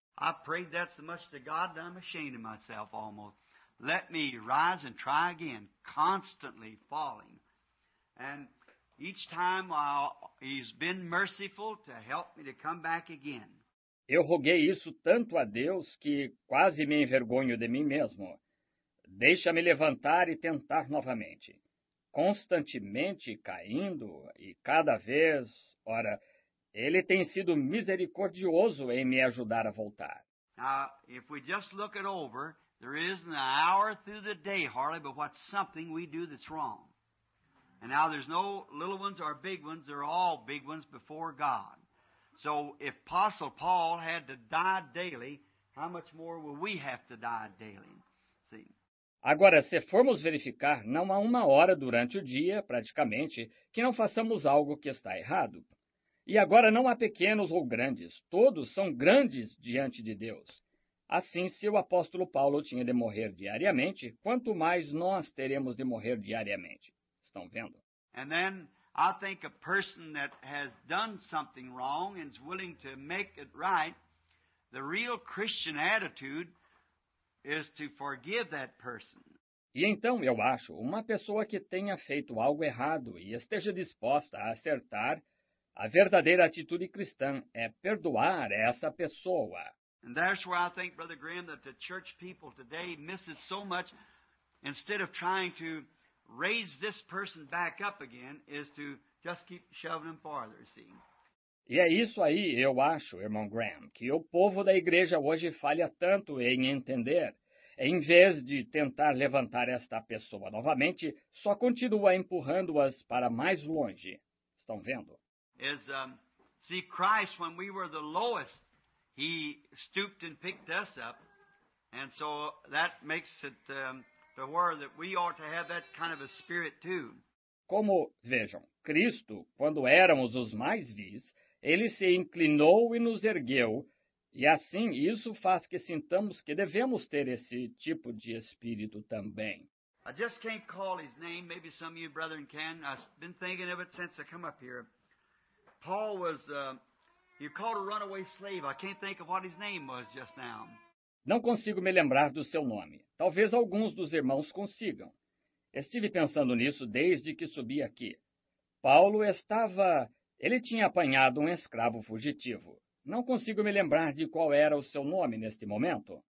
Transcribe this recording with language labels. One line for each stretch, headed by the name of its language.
English: I prayed that so much to God that I'm ashamed of myself almost. Let me rise and try again, constantly falling. And each time he's been merciful to help me to come back again.
Portuguese: Eu roguei isso tanto a Deus que quase me envergonho de mim mesmo. Deixa-me levantar e tentar novamente. Constantemente caindo e cada vez, ora, Ele tem sido misericordioso em me ajudar a voltar.
English: Now, if we just look it over, there isn't an hour through the day, Harley, but what's something we do that's wrong. And now there's no little ones or big ones, they're all big ones before God. So if Apostle Paul had to die daily, how much more will we have to die daily? See?
Portuguese: Agora, se formos verificar, não há uma hora durante o dia, praticamente, que não façamos algo que está errado. E agora não há pequenos ou grandes, todos são grandes diante de Deus. Assim, se o apóstolo Paulo tinha de morrer diariamente, quanto mais nós teremos de morrer diariamente? Estão vendo?
English: And then I think a person that has done something wrong and is willing to make it right, the real Christian attitude is to forgive that person.
Portuguese: E então eu acho, uma pessoa que tenha feito algo errado e esteja disposta a acertar, a verdadeira atitude cristã é perdoar essa pessoa.
English: And that's where I think, Brother Graham, that the church people today miss it so much, instead of trying to raise this person back up again, is to just keep shoving them farther, see?
Portuguese: E é isso aí, eu acho, irmão Graham, que o povo da igreja hoje falha tanto em entender. Em vez de tentar levantar esta pessoa novamente, só continua empurrando-as para mais longe. Estão vendo?
English: See, Christ, when we were the lowest, he stooped and picked us up. And so that makes it the word that we ought to have that kind of a spirit too.
Portuguese: Como vejam, Cristo, quando éramos os mais vis, ele se inclinou e nos ergueu, e assim isso faz que sintamos que devemos ter esse tipo de espírito também.
English: I just can't call his name, maybe some of you brethren can. I've been thinking of it since I come up here. Paul was you called a runaway slave. I can't think of what his name was just now.
Portuguese: Não consigo me lembrar do seu nome. Talvez alguns dos irmãos consigam. Estive pensando nisso desde que subi aqui. Paulo estava... Ele tinha apanhado um escravo fugitivo. Não consigo me lembrar de qual era o seu nome neste momento.